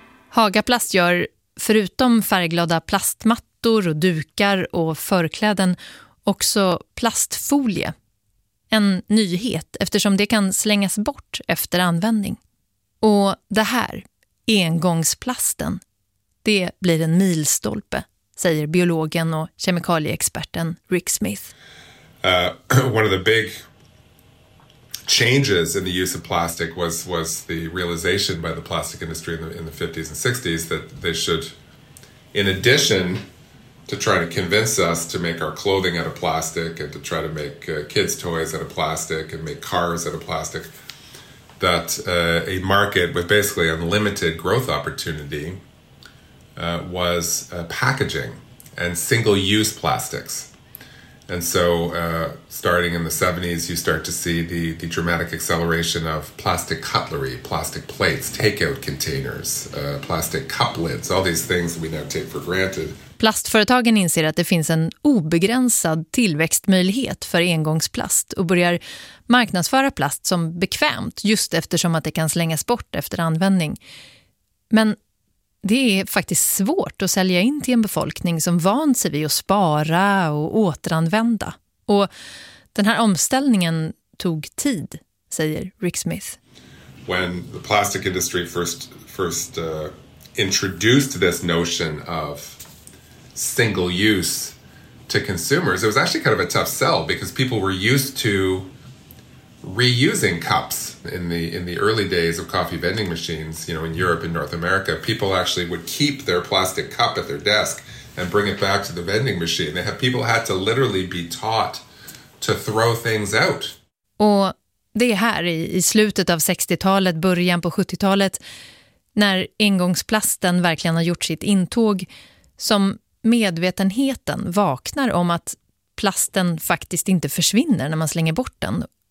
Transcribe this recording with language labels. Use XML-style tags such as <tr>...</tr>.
<sv>Hagaplast gör, förutom färgglada plastmattor och dukar och förkläden, också plastfolie. En nyhet eftersom det kan slängas bort efter användning. Och det här, engångsplasten, det blir en milstolpe, säger biologen och kemikalieexperten Rick Smith.</sv> <en>One of the big changes in the use of plastic was the realization by the plastic industry in the 50s and 60s that they should, in addition to trying to convince us to make our clothing out of plastic and to try to make kids' toys out of plastic and make cars out of plastic, that a market with basically unlimited growth opportunity was packaging and single-use plastics. And so starting in the 70s, you start to see the dramatic acceleration of plastic cutlery, plastic plates, takeout containers, plastic cup lids, all these things we now take for granted.</en> <sv>Plastföretagen inser att det finns en obegränsad tillväxtmöjlighet för engångsplast och börjar marknadsföra plast som bekvämt just eftersom att det kan slängas bort efter användning. Men det är faktiskt svårt att sälja in till en befolkning som vant sig vid att spara och återanvända. Och den här omställningen tog tid, säger Rick Smith.</sv> <en>When the plastic industry first introduced this notion of single use to consumers, it was actually kind of a tough sell because people were used to reusing cups in the early days of coffee vending machines, you know, in Europe and North America. People actually would keep their plastic cup at their desk and bring it back to the vending machine. People had to literally be taught to throw things out.</en> <sv>Och det är här i slutet av 60-talet, början på 70-talet, när engångsplasten verkligen har gjort sitt intåg, som medvetenheten vaknar om att plasten faktiskt inte försvinner när man slänger bort den.</sv>